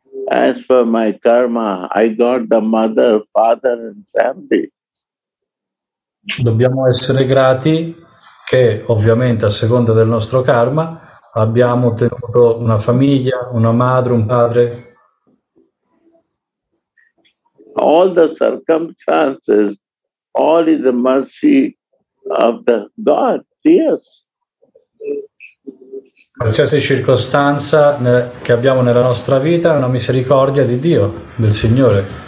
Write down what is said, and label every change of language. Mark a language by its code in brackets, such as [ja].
[en] As for my karma, I got the mother, father and family. [it] Dobbiamo essere grati che ovviamente a seconda del nostro karma abbiamo ottenuto una famiglia, una madre, un padre. [en] All the circumstances, all is the mercy of the God, yes. [it] Qualsiasi circostanza che abbiamo nella nostra vita è una misericordia di Dio, del Signore.